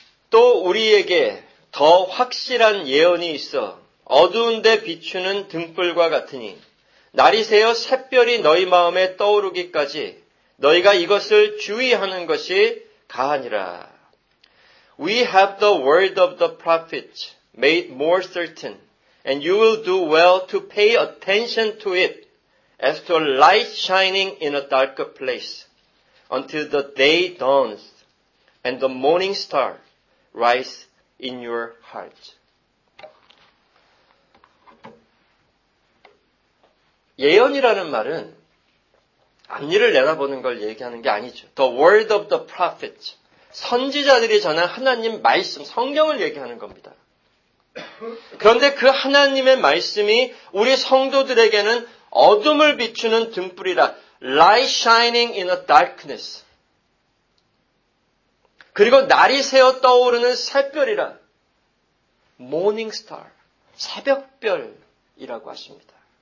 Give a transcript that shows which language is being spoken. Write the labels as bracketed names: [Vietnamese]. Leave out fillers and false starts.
[Korean] 또 우리에게 더 확실한 예언이 있어 어두운 데 비추는 등불과 같으니 날이 새어 샛별이 너희 마음에 떠오르기까지 너희가 이것을 주의하는 것이 가하니라. [English] We have the word of the prophet made more certain. And you will do well to pay attention to it as to a light shining in a dark place until the day dawns and the morning star rise in your heart. [Korean] 예언이라는 말은 앞니를 내다보는 걸 얘기하는 게 아니죠. [English] The word of the prophet. [Korean] 선지자들이 전한 하나님 말씀, 성경을 얘기하는 겁니다. 그런데 그 하나님의 말씀이 우리 성도들에게는 어둠을 비추는 등불이라 [English] light shining in a darkness [Korean] 그리고 날이 새어 떠오르는 새별이라 [English] morning star [Korean] 새벽별이라고 하십니다.